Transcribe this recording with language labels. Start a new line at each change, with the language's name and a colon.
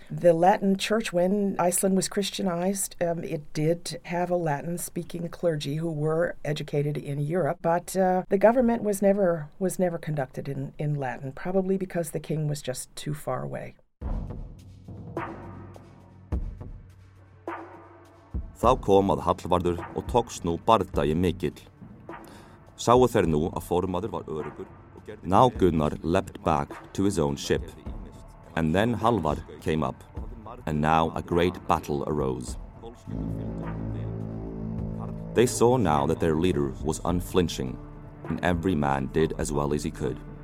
English: The Latin church, when Iceland was Christianized, it did have a Latin-speaking clergy who were educated in Europe, but the government was never conducted in Latin, probably because the king was just too far away.
Icelandic: Þá kom að Hallvarður og tókst nú bardagi mikill. Sáu þeir nú að formaður var öruggur.
English: Now Gunnar leapt back to his own ship. And then Halvar came up. And now a great battle arose. They saw now that their leader was unflinching, and every man did as well as he could.